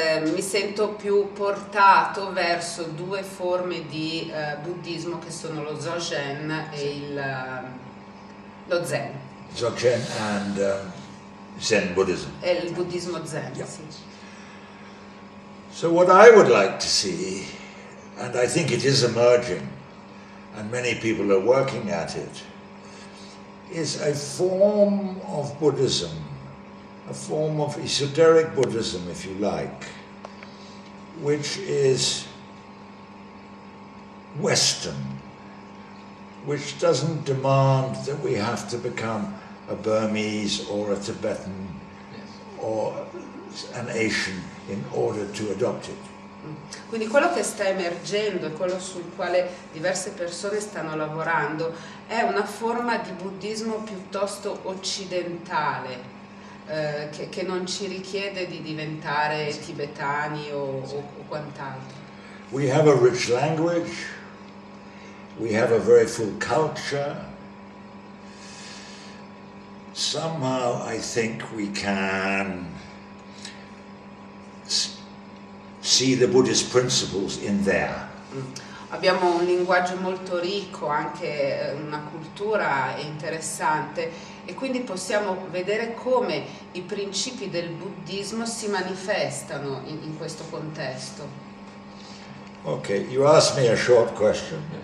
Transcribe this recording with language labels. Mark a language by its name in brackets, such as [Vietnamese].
[Italian] Mi sento più portato verso due forme di buddismo che sono lo Dzogchen e lo Zen. [English] Dzogchen and Zen Buddhism. [Italian] E il buddismo Zen, yeah. Sì. [English] So what I would like to see, and I think it is emerging, and many people are working at it, is a form of Buddhism. A form of esoteric Buddhism, if you like, which is Western, which doesn't demand that we have to become a Burmese or a Tibetan, yes, or an Asian in order to adopt it. [Italian] Quindi quello che sta emergendo e quello sul quale diverse persone stanno lavorando è una forma di buddismo piuttosto occidentale. Che non ci richiede di diventare tibetani o quant'altro. [English] We have a rich language, we have a very full culture. Somehow I think we can see the Buddhist principles in there. [Italian] Abbiamo un linguaggio molto ricco, anche una cultura interessante, e quindi possiamo vedere come i principi del buddismo si manifestano in questo contesto. [English] Ok, you asked me a short question.